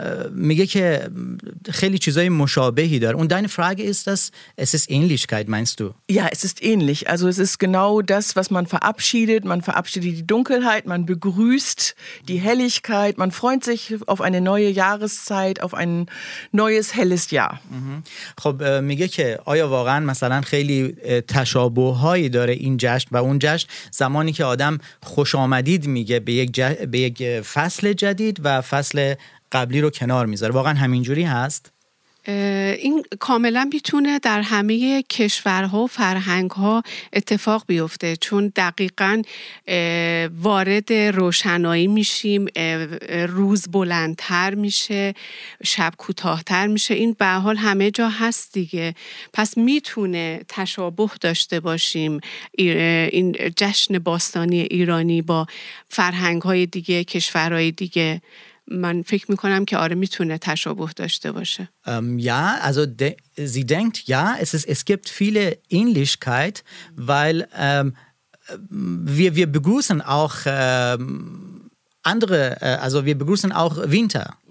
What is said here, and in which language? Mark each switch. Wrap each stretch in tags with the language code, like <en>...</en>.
<fa>میگه که خیلی چیزای مشابهی داره. اون</fa> <de>deine Frage ist das, es ist Ähnlichkeit meinst du? Ja, es ist ähnlich. Also es ist genau das, was man verabschiedet. Man verabschiedet die Dunkelheit, man begrüßt die Helligkeit, man freut sich auf eine neue Jahreszeit, auf ein neues helles Jahr.</de> <fa>خب میگه که آیا واقعا مثلا خیلی تشابه‌هایی داره این جشن و اون جشن، زمانی که آدم خوش آمدید میگه به یک فصل جدید و فصل قبلی رو کنار میذاره، واقعا همینجوری هست؟ این کاملا میتونه در همه کشورها و فرهنگها اتفاق بیفته، چون دقیقا وارد روشنایی میشیم، روز بلندتر میشه، شب کوتاهتر میشه، این به هر حال همه جا هست دیگه. پس میتونه تشابه داشته باشیم این جشن باستانی ایرانی با فرهنگهای دیگه، کشورهای دیگه.</fa> <de>Man fängt mich an, dass alle mitunter Taschenbuchdurchstöbersche. Ja, also sie denkt, ja, es gibt viele Ähnlichkeit, weil wir begrüßen auch andere, also wir begrüßen auch Winter.</de>